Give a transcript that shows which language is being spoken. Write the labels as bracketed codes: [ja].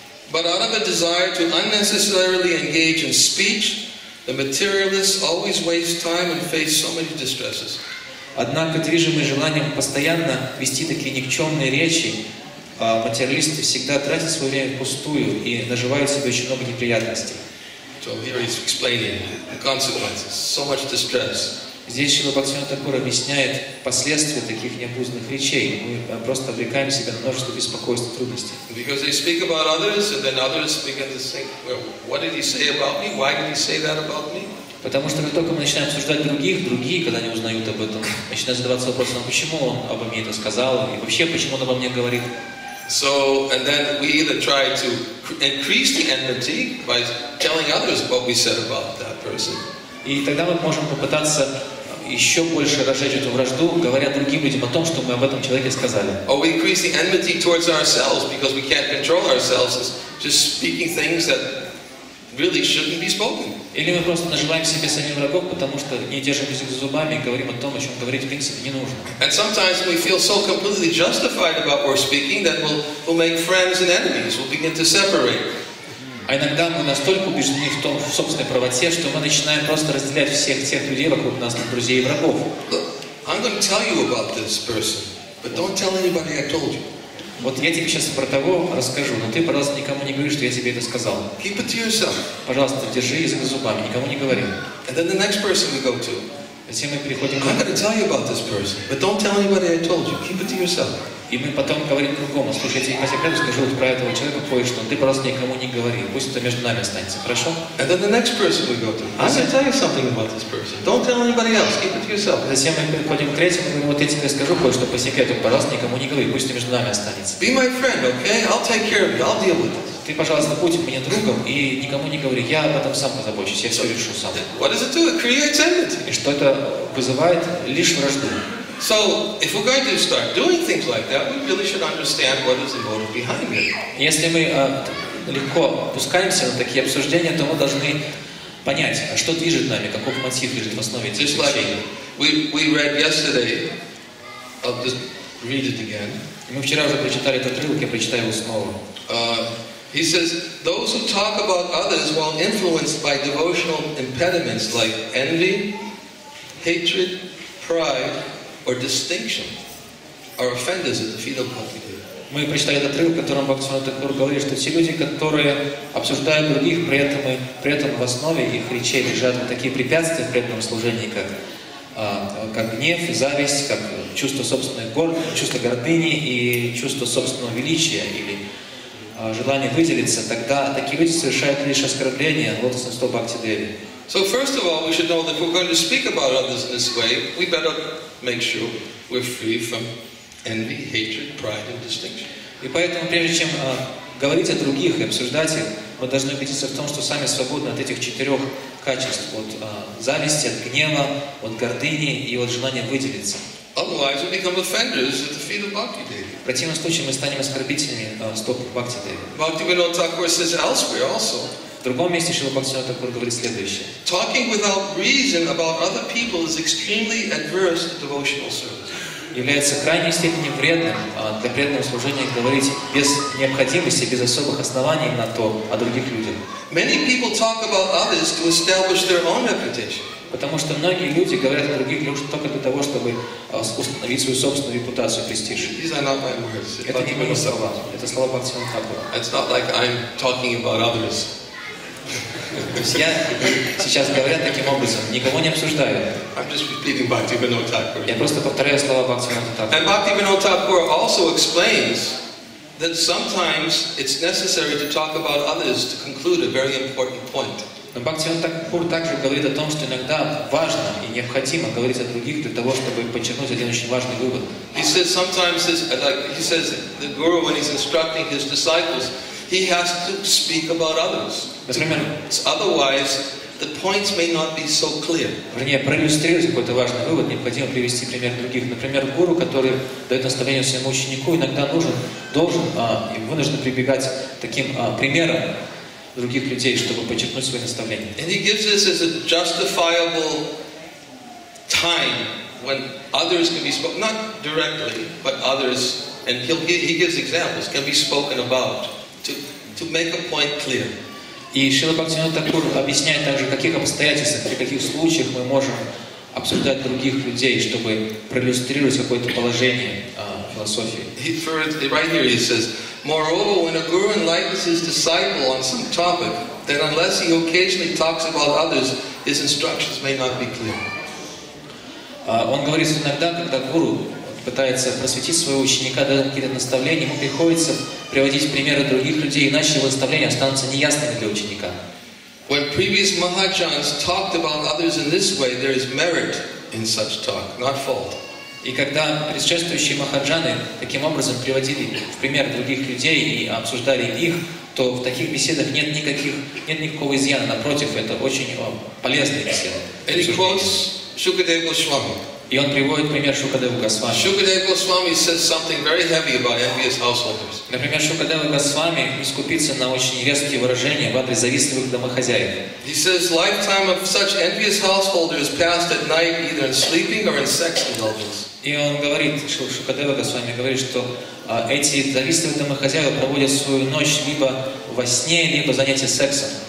[en] But out of a desire to unnecessarily engage in speech, the materialist always wastes time and faces so many distresses. [ru] Однако, движимый желанием постоянно вести такие никчемные речи, материалисты всегда тратят свое время впустую и наживают себе очень много неприятностей. [en] So here he's explaining the consequences. So much distress. [ru] Здесь Шрила Бхактисиддханта Тхакура объясняет последствия таких необузданных речей. Мы просто обрекаем себя на множество беспокойств и трудностей. [en] Because they speak about others, and then others begin to think, well, what did he say about me? Why did he say that about me? [ru] Потому что как только мы начинаем обсуждать других, другие, когда они узнают об этом, начинают задаваться вопросом, почему он обо мне это сказал, и вообще, почему он обо мне говорит. [en] So, and then we either try to increase the enmity by telling others what we said about that person. [ru] И тогда мы можем попытаться еще больше разжечь эту вражду, говоря другим людям о том, что мы об этом человеке сказали. [en] Or we increase the enmity towards ourselves because we can't control ourselves, just speaking things that really shouldn't be spoken. [ru] Или мы просто наживаем себе самим врагов, потому что не держим язык за зубами и говорим о том, о чем говорить в принципе не нужно. [en] And sometimes we feel so completely justified about our speaking that we'll make friends and enemies, we'll begin to separate. [ru] А иногда мы настолько убеждены в том, в собственной правоте, что мы начинаем просто разделять всех тех людей вокруг нас, на друзей и врагов. [en] I'm going to tell you about this person, but don't tell anybody I told you. [ru] Вот я тебе сейчас про того расскажу, но ты, пожалуйста, никому не говори, что я тебе это сказал. [en] Keep it to yourself. [ru] Пожалуйста, держи язык за зубами, никому не говори. [en] And then the next person we go to. [ru] Затем мы переходим к... [en] I'm going to tell you about this person, but don't tell anybody I told you. Keep it to yourself. [ru] И мы потом говорим другому, слушай, я тебе по секрету скажу про этого человека кое-что, ты просто никому не говори, пусть это между нами останется, хорошо? [en] And then the next person we go to. I'm going to tell you something about this person. Don't tell anybody else. Keep it to yourself. [ru] Затем мы переходим к третьему, говорим, вот я тебе скажу кое-что по секрету, пожалуйста, никому не говори, пусть это между нами останется. [en] Be my friend, okay? I'll take care of you. I'll deal with it. [ru] Ты, пожалуйста, будь мне другом и никому не говори, я об этом сам позабочусь, я все решу сам. [en] What does it do? It creates enmity. [ru] И что это вызывает? Лишь вражду. [en] So, if we're going to start doing things like that, we really should understand what is the motive behind it. [ru] Если мы легко опускаемся на такие обсуждения, то мы должны понять, что движет нами, каков мотив лежит в основе этих вещей. [en] We read yesterday. I'll just read it again. [ru] Мы вчера уже прочитали этот отрывок, я прочитаю его снова. [en] He says, those who talk about others while influenced by devotional impediments like envy, hatred, pride, or distinction are offenders at the feet of Bhakti Deva. [ru] Мы прочитали этот отрывок, в котором Бхактисиддханта Тхакура говорит, что те люди, которые обсуждают других, при этом в основе их речей лежат вот такие препятствия в преданном служении, как гнев, зависть, как чувство собственной гордости, чувство гордыни и чувство собственного величия или желание выделиться, тогда такие люди совершают лишь оскорбления лотосных стоп Бхакти Деви. [en] So first of all, we should know that if we're going to speak about others in this way, we better make sure we're free from envy, hatred, pride, and distinction. [ru] И поэтому, прежде чем говорить о других и обсуждать их, мы должны убедиться в том, что сами свободны от этих четырех качеств: от зависти, от гнева, от гордыни и от желания выделиться. [en] Otherwise, we become offenders at the feet of Bhakti Devi. [ru] В противном случае мы станем оскорбителями стоп Бхакти Деви. [en] Bhaktivinoda Thakur says elsewhere also. [ru] В другом месте Шрила Бхактисиддханта Тхакура говорит следующее. [en] Talking without reason about other people is extremely adverse to devotional service. [ru] Является крайней степени вредным для преданного служения говорить без необходимости, без особых оснований на то о других людях. [en] Many people talk about others to establish their own reputation. [ru] Потому что многие люди говорят о других людях только для того, чтобы установить свою собственную репутацию, престиж. Это не мои слова. Это слова Бхактисиддханта Тхакура. [en] It's not like I'm talking about others. [ru] То есть я сейчас говорю таким образом, никого не обсуждаю. [en] I'm just repeating Bhaktivinoda Thakur. [ru] Я просто повторяю слова Бхактивинода Тхакура. [en] And Bhaktivinoda Thakur also explains that sometimes it's necessary to talk about others to conclude a very important point. [ru] Но Бхактивинода Тхакур также говорит о том, что иногда важно и необходимо говорить о других для того, чтобы подчеркнуть один очень важный вывод. [en] He says sometimes, like he says, the guru when he's instructing his disciples, he has to speak about others. [ru] Например, [en] otherwise the points may not be so clear. [ru] Вернее, проиллюстрировать какой-то важный вывод, необходимо привести пример других. Например, гуру, который дает наставление своему ученику, иногда вынужден прибегать к таким примерам других людей, чтобы подчеркнуть свои наставления. [en] And he gives this as a justifiable time when others can be spoken, not directly, but others, and he gives examples, can be spoken about to make a point clear. [ru] И Шрила Бхактивинода Тхакур объясняет также, в каких обстоятельствах, при каких случаях мы можем обсуждать других людей, чтобы проиллюстрировать какое-то положение философии. [en] Right here he says, moreover, when a guru enlightens his disciple on some topic, then unless he occasionally talks about others, his instructions may not be clear. [ru] Он говорит, иногда, когда гуру пытается просветить своего ученика, дает какие-то наставления, ему приходится приводить примеры других людей, иначе его наставления останутся неясными для ученика. [en] When previous Mahajans talked about others in this way, there is merit in such talk, not fault. [ru] И когда предшествующие Махаджаны таким образом приводили в пример других людей и обсуждали их, то в таких беседах нет никакого изъяна, напротив, это очень полезная беседа. [en] And he quotes Shukadeva Goswami. [ru] И он приводит пример Шукадева Госвами. [en] Shukadeva Goswami says something very heavy about envious householders. [ru] Например, Шукадева Госвами искупится на очень резкие выражения в адрес завистливых домохозяев. [en] He says lifetime of such envious householders passed at night either in sleeping or in sex indulgence. [ru] И он говорит, Шукадева Госвами говорит, что эти завистливые домохозяева проводят свою ночь либо во сне, либо в занятии сексом.